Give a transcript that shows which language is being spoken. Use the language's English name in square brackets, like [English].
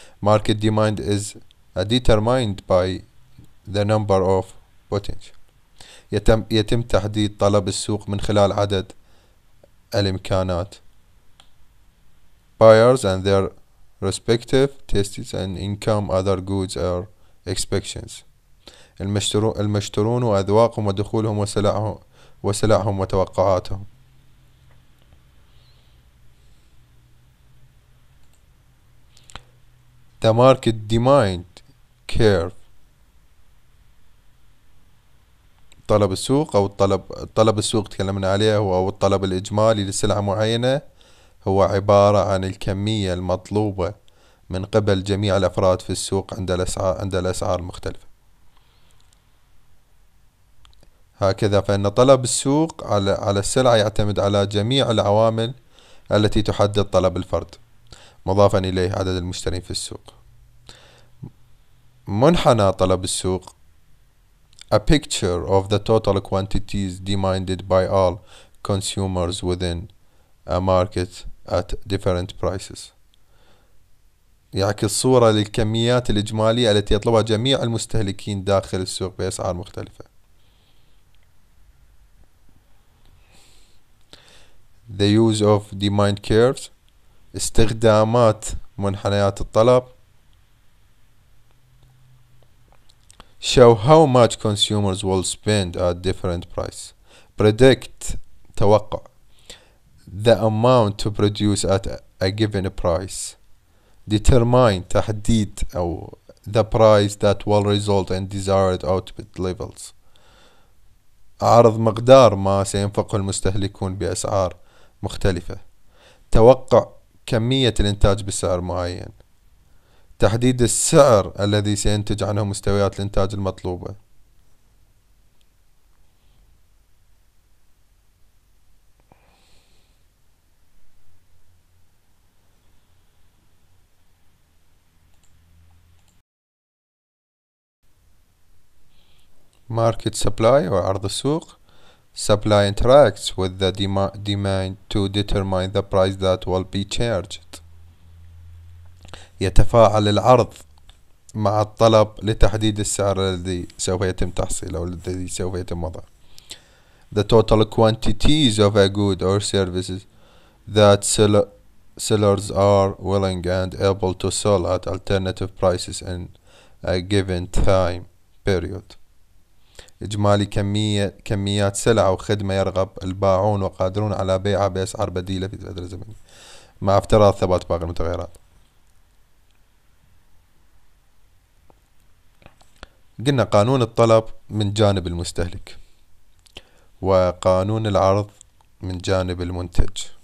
[English] Market demand is determined by the number of potential. [Arabic] يتم تحديد طلب السوق من خلال عدد الإمكانات. [English] Buyers and their respective tastes and income, other goods or expectations. [Arabic] المشترون وأذواقهم ودخولهم وسلعهم وتوقعاتهم. [English] The market demand curve. [Arabic] طلب السوق أو طلب السوق تكلمنا عليه، أو الطلب الإجمالي لسلعة معينة، هو عبارة عن الكمية المطلوبة من قبل جميع الأفراد في السوق عند الأسعار المختلفة. هكذا فإن طلب السوق على السلعة يعتمد على جميع العوامل التي تحدد طلب الفرد، مضافا إليه عدد المشترين في السوق. منحنى طلب السوق. [English] A picture of the total quantities demanded by all consumers within a market at different prices. [Arabic] يعكس صورة للكميات الإجمالية التي يطلبها جميع المستهلكين داخل السوق بأسعار مختلفة. [English] The use of demand curves. [Arabic] استخدامات منحنيات الطلب. [English] Show how much consumers will spend at different price. Predict. [Arabic] توقع. [English] The amount to produce at a given price. Determine. [Arabic] تحديد أو [English] the price that will result in desired output levels. [Arabic] عرض مقدار ما سينفقه المستهلكون بأسعار مختلفة. توقع كمية الإنتاج بسعر معين. تحديد السعر الذي سينتج عنه مستويات الإنتاج المطلوبة. [English] Market supply [Arabic] أو عرض السوق. [English] Supply interacts with the demand to determine the price that will be charged. [Arabic] يتفاعل العرض مع الطلب لتحديد السعر الذي سوف يتم تحصيله أو الذي سوف يتم وضعه. [English] The total quantities of a good or services that sellers are willing and able to sell at alternative prices in a given time period. [Arabic] إجمالي كميات سلع أو خدمة يرغب الباعون وقادرون على بيعها بأسعار بديلة في فترة زمنية، مع افتراض ثبات باقي المتغيرات. قلنا قانون الطلب من جانب المستهلك وقانون العرض من جانب المنتج.